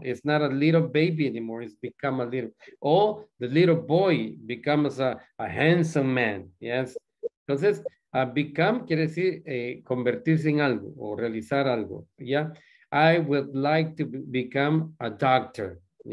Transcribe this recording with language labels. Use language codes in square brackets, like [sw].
[en] It's not a little baby anymore, it's become a little. Oh, the little boy becomes a handsome man, yes. [es] Entonces, become quiere decir convertirse en algo o realizar algo, ya. [en] Yeah? I would like to become a doctor, ya.